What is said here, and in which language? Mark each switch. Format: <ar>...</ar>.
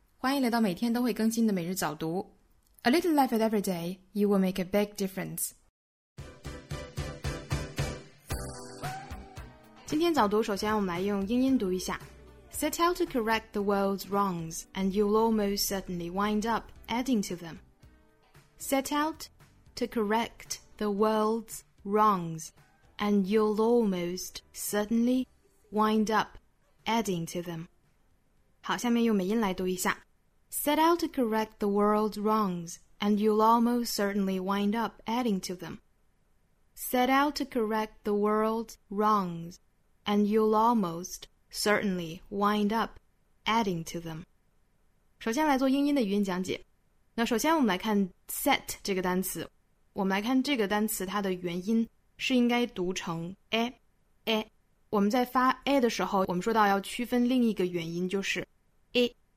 <zh>欢迎来到每天都会更新的每日早读。</zh> <en>A little effort every day, you will make a big difference.</en> <zh>今天早读首先我们来用英音读一下。</zh> <en>Set out to correct the world's wrongs, and you'll almost certainly wind up adding to them. Set out to correct the world's wrongs, and you'll almost certainly wind up adding to them.</en> <zh>好，下面用美音来读一下。</zh> <en>Set out to correct the world's wrongs, and you'll almost certainly wind up adding to them. Set out to correct the world's wrongs, and you'll almost certainly wind up adding to them.</en> <zh>首先来做英音的语音讲解。那首先我们来看 set 这个单词。我们来看这个单词它的元音是应该读成 a。我们在发 a 的时候，我们说到要区分另一个元音，就是 a。</zh>